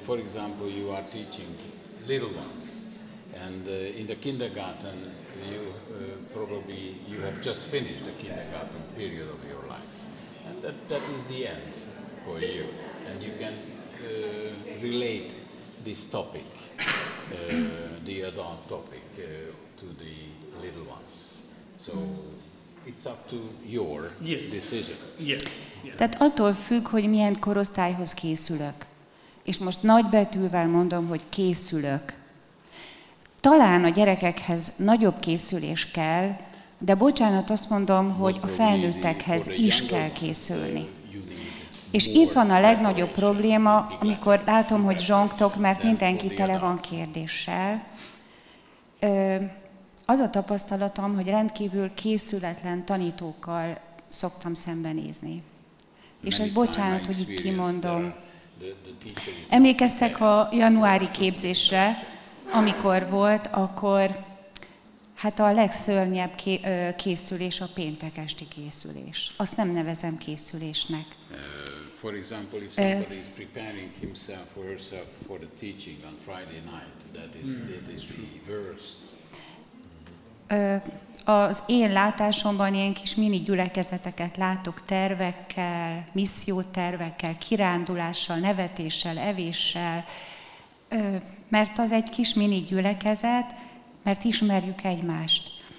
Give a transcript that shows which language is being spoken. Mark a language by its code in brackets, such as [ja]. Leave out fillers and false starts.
[en] For example, you are teaching little ones. And in the kindergarten, you probably have just finished the kindergarten period of your life. And that is the end for you. And you can relate this topic, the adult topic, to the little ones. So it's up to your yes. decision. Yes. Yes. [hu] Tehát attól függ, hogy milyen korosztályhoz készülök. És most nagy betűvel mondom, hogy készülök. Talán a gyerekekhez nagyobb készülés kell, de bocsánat, azt mondom, hogy a felnőttekhez is kell készülni. És itt van a legnagyobb probléma, amikor látom, hogy zsongtok, mert mindenki tele van kérdéssel. Az a tapasztalatom, hogy rendkívül készületlen tanítókkal szoktam szembenézni. És ez bocsánat, hogy így kimondom. Emlékeztek a januári képzésre, amikor volt, akkor hát a legszörnyebb készülés a péntek esti készülés. Azt nem nevezem készülésnek. [en] For example, if somebody is preparing himself or herself for the teaching on Friday night, that is the worst. [hu] Az én látásomban ilyen kis mini gyülekezeteket látok tervekkel, missziótervekkel, kirándulással, nevetéssel, evéssel. Mert az egy kis mini gyülekezet, mert ismerjük egymást.